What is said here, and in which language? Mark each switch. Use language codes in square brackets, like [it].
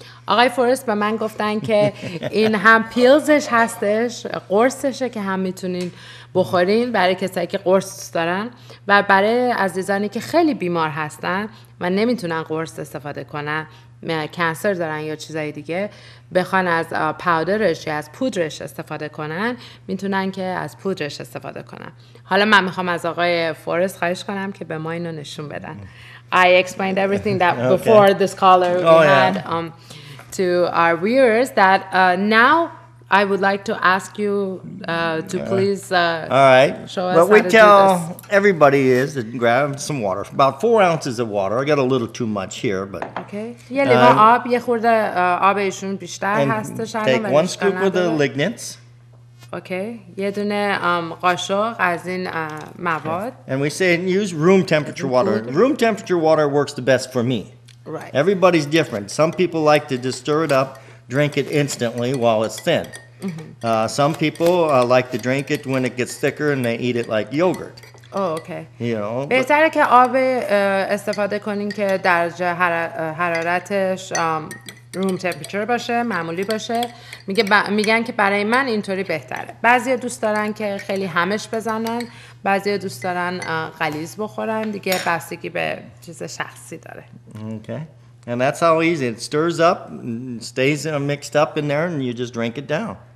[fa] آقای فورست به من گفتن که این هم پیلزش هستش، قرصشه که هم میتونین بخورین برای کسایی که قرص دارن و برای عزیزانی که خیلی بیمار هستن و نمیتونن قرص استفاده کنن، کانسر دارن یا چیزای دیگه، بخوان از پاودرش یا از پودرش استفاده کنن میتونن که از پودرش استفاده کنن. حالا من میخوام از آقای فورست خواهش کنم که به ما اینو نشون بدن. [en] I explained everything that before this caller we had to our viewers that now I would like to ask you to please all right. Show us what how we to tell do this. Everybody is to grab some water, about 4 ounces of water. I got a little too much here, but okay. [fa] Yeah, لیوان آب یه خورده آبشون بیشتر هستش. [en] Take one scoop of the lignans. [fa] Okay. یه دونه قاشق از این مواد. [en] And we say use room temperature water. Room temperature water works the best for me. Right. Everybody's different. Some people like to just stir it up. Drink it instantly while it's thin. Mm-hmm. Some people like to drink it when it gets thicker and they eat it like yogurt. Okay. یو. [fa] بهتره که آب استفاده کنین که درجه حرارتش روم تمپرچر باشه، معمولی باشه. میگن که برای من اینطوری بهتره. بعضیا دوست دارن که خیلی همش بزنن، بعضیا دوست دارن غلیظ بخورن، دیگه بستگی به چیز شخصی داره. [en] Okay. And that's how easy it stirs up and stays mixed up in there and you just drink it down.